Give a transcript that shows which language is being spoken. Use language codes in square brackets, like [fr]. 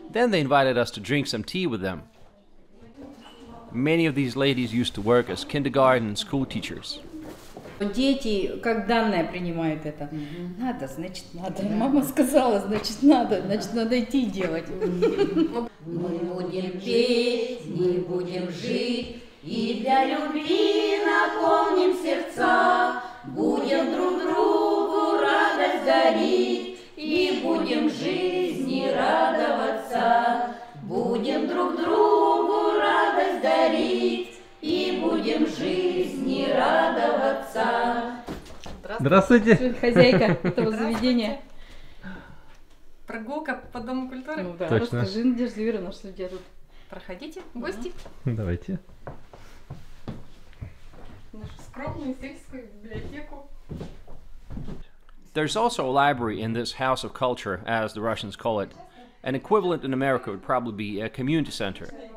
[en] Then they invited us to drink some tea with them. Many of these ladies used to work as kindergarten and school teachers. [ru] Дети как данное принимают это. Надо, значит, надо. Мама сказала, значит, надо идти делать. Мы будем петь, мы будем жить, и для любви наполним сердца. Будем друг другу радость дарить, и будем жизни радоваться. Будем друг другу радость дарить, и будем жизни радоваться. Здравствуйте. Хозяйка этого заведения. Прогулка по Дому культуры? Ну да, точно. Расскажи, Надежда Юрьевна, что у тебя тут. Проходите, гости. Давайте. Нашу скромную сельскую библиотеку. [en] There's also a library in this house of culture, as the Russians call it. An equivalent in America would probably be a community center.